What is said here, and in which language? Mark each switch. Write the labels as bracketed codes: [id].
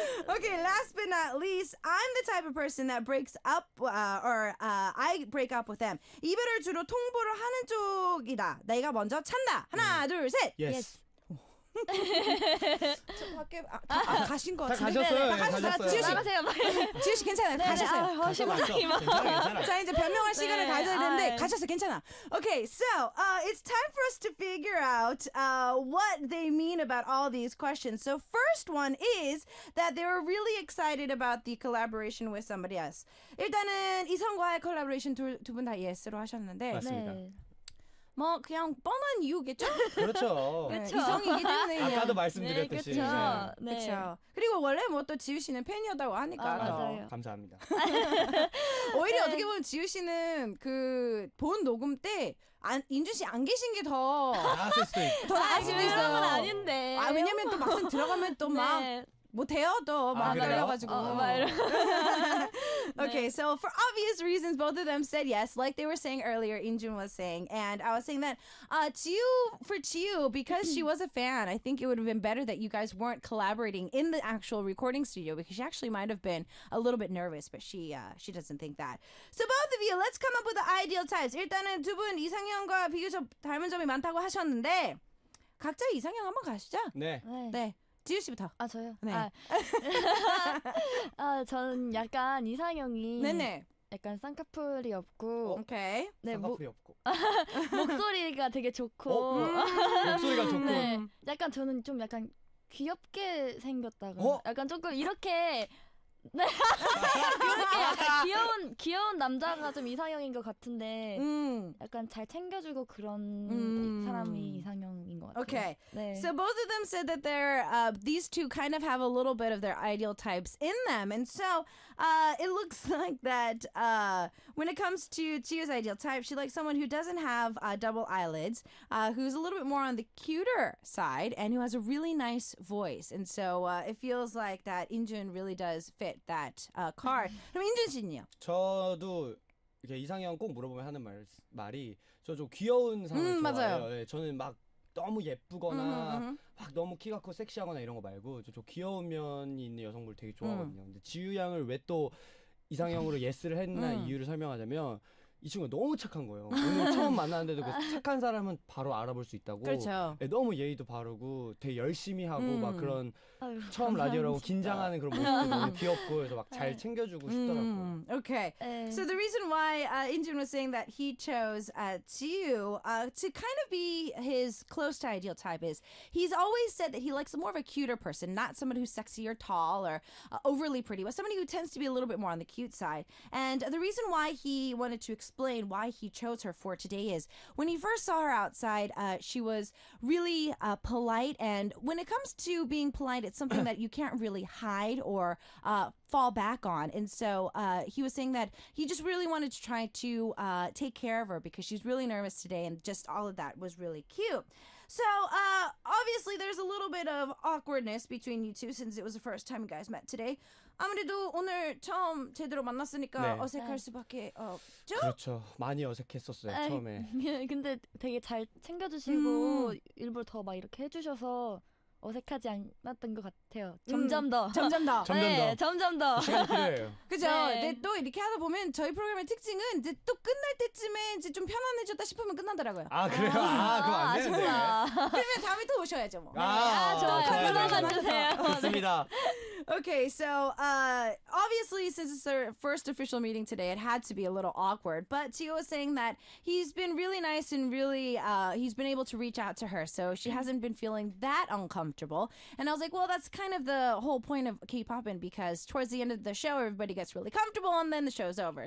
[en] Okay, last but not least, I'm the type of person that breaks up I break up with them. [ko] 이별을 주로 통보를 하는 쪽이다. 내가 먼저 찬다. 하나, 둘, 셋. [en] Yes. [ko] 밖에 아, 가신 것 같은데. 가셨어요. 네, 가셨어요. 지효 씨. 나가세요. 지효 씨 괜찮아요. 네, 가셨어요. 네, 훨씬 더 힘. 자, 이제 변명할 시간을 네, 가져야 되는데 아, 가셨어. 괜찮아. Okay. [en] So, it's time for us to figure out what they mean about all these questions. So, first one is that they were really excited about the collaboration with somebody else. [ko] 일단은 이성과의 콜라보레이션 두 분 다 예스로 하셨는데 맞습니다. 네. 뭐 그냥 뻔한 이유겠죠? 그렇죠. 그렇죠. 이성이기 때문에 아까도 말씀드렸듯이 네, 그렇죠. 네. 그렇죠. 그리고 원래 뭐 또 지우 씨는 팬이었다고 하니까 아, 맞아요. 감사합니다. 오히려 네. 어떻게 보면 지우 씨는 그 본 녹음 때 안, 인준 씨 안 계신 게 더 나았을 수도 있고 더 나을 수도 있어요. 그런 건 아닌데. 아 왜냐면 또 막상 들어가면 또 막 못해요 또 막 떨려가지고. [en] Okay, so for obvious reasons, both of them said yes, like they were saying earlier, Injun was saying, and I was saying that Chiyu, because she was a fan, I think it would have been better that you guys weren't collaborating in the actual recording studio, because she actually might have been a little bit nervous, but she doesn't think that. So both of you, let's come up with the ideal types. [ko] 일단은 두 분 이상형과 비교적 닮은 점이 많다고 하셨는데, 각자 이상형 한번 가시죠. 네. 네. 지우 씨부터. 아 저요. 네. 아 저는 약간 이상형이. 네네. 약간 쌍꺼풀이 없고. 오케이. 네, 쌍꺼풀이 없고. 목소리가 되게 좋고. 목소리가 좋고. 네. 약간 저는 좀 약간 귀엽게 생겼다고. 약간 조금 이렇게. 네. 이렇게 약간 귀여운 남자가 좀 이상형인 것 같은데. 약간 잘 챙겨주고 그런 사람이 이상형인 것 같아요. Okay. 네. [en] So both of them said that they're these two kind of have a little bit of their ideal types in them. And so it looks like that when it comes to Chiyu's ideal type, she likes someone who doesn't have double eyelids, who's a little bit more on the cuter side, and who has a really nice voice. And so it feels like that Injun really does fit that card. [ko] 그럼 Injun 씨는요? 저도 이렇게 이상형 꼭 물어보면 하는 말이 저 좀 귀여운 사람을 좋아해요. 맞아요. 네, 저는 막 너무 예쁘거나 막 너무 키가 커 섹시하거나 이런 거 말고 저 귀여운 면이 있는 여성분을 되게 좋아하거든요. 근데 지유 양을 왜 또 이상형으로 예스를 했나 이유를 설명하자면 이 친구가 너무 착한 거예요. 오늘 처음 만났는데도 그 착한 사람은 바로 알아볼 수 있다고. 그렇죠. 네, 너무 예의도 바르고 되게 열심히 하고 막 그런 처음 라디오라고 긴장하는 그런 모습도 너무 귀엽고 그래서 막 잘 챙겨주고 싶더라고요. [en] Okay. So the reason why Injun was saying that he chose Chiyu to kind of be his close to ideal type is he's always said that he likes more of a cuter person, not someone who's sexy or tall or overly pretty, but somebody who tends to be a little bit more on the cute side. And the reason why he wanted to explain why he chose her for today is when he first saw her outside she was really polite, and when it comes to being polite it's something that you can't really hide or fall back on, and so he was saying that he just really wanted to try to take care of her because she's really nervous today, and just all of that was really cute. So obviously there's a little bit of awkwardness between you two since it was the first time you guys met today. [ko] 아무래도 오늘 처음 제대로 만났으니까 네. 어색할 수밖에 없죠? 그렇죠. 많이 어색했었어요. 에이, 처음에. 근데 되게 잘 챙겨주시고 일부러 더 막 이렇게 해주셔서 어색하지 않았던 것 같아요. 점점 더. 점점 더. 점점 더. 네, 점점 더. 그죠. 네. 네, 또 이렇게 하다 보면 저희 프로그램의 특징은 이제 또 끝날 때쯤에 이제 좀 편안해졌다 싶으면 끝나더라고요. 아 그래요? 아 그럼 안 되는데. 아, 그러면 다음에 또 오셔야죠 뭐. 아, 네. 아 좋아요. 감사합니다. 주세요. 좋습니다. [en] Okay, so obviously since it's our first official meeting today, it had to be a little awkward. But Chiyu was saying that he's been really nice and really, he's been able to reach out to her. So she hasn't been feeling that uncomfortable. And I was like, well, that's kind of the whole point of K-popping, because towards the end of the show, everybody gets really comfortable and then the show's over.